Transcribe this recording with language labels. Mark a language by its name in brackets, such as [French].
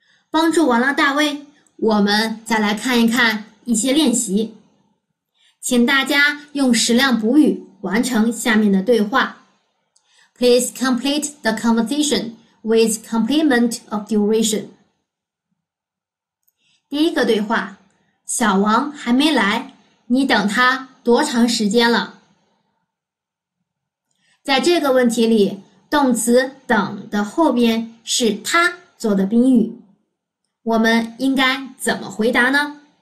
[Chinese] 帮助完了大卫，我们再来看一看一些练习。请大家用矢量补语完成下面的对话。 [English] Please complete the conversation with complement of duration. [Chinese] 第一个对话，小王还没来，你等他多长时间了？在这个问题里，动词等的后边是他做的宾语，我们应该怎么回答呢？